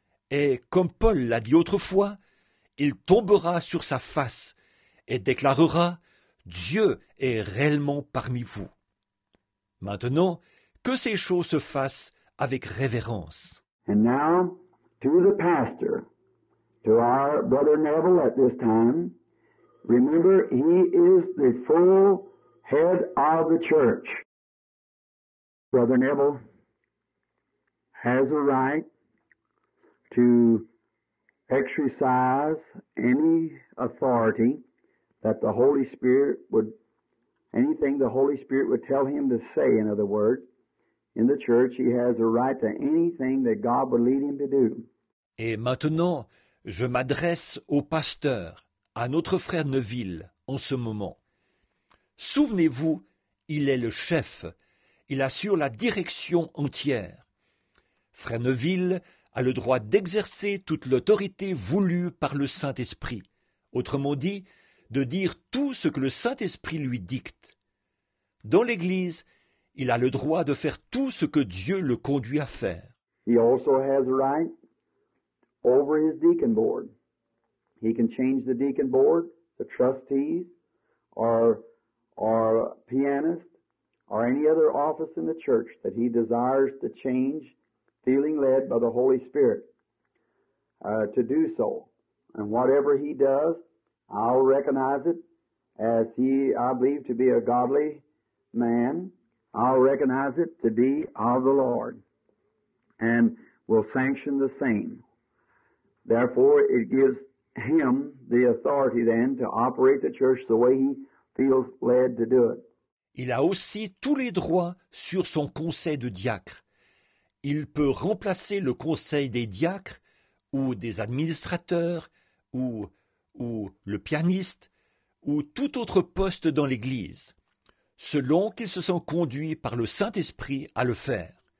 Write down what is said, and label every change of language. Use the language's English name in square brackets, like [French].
[French] Et comme Paul l'a dit autrefois, il tombera sur sa face et déclarera « Dieu est réellement parmi vous ». Maintenant, que ces choses se fassent avec révérence. [English] And now, to the pastor, to our brother Neville at this time, remember he is the full head of the church. Brother Neville has a right to exercise any authority that the Holy Spirit would, anything the Holy Spirit would tell him to say, in other words, in the church, he has a right to anything that God would lead him to do. [French] Et maintenant, je m'adresse au pasteur, à notre frère Neville, en ce moment. Souvenez-vous, il est le chef, il assure la direction entière. Frère Neville a le droit d'exercer toute l'autorité voulue par le Saint-Esprit, autrement dit, de dire tout ce que le Saint-Esprit lui dicte. Dans l'Église, il a le droit de faire tout ce que Dieu le conduit à faire. [English] He also has a right over his deacon board. He can change the deacon board, the trustees, or pianist, or any other office in the church that he desires to change, feeling led by the Holy Spirit to do so. And whatever he does, I'll recognize it as he, I believe, to be a godly man. I'll recognize it to be of the Lord and will sanction the same. Therefore, it gives him the authority then to operate the church the way he feels led to do it. [French] Il a aussi tous les droits sur son conseil de diacre. Il peut remplacer le conseil des diacres ou des administrateurs ou le pianiste ou tout autre poste dans l'Église, selon qu'il se sent conduit par le Saint-Esprit à le faire.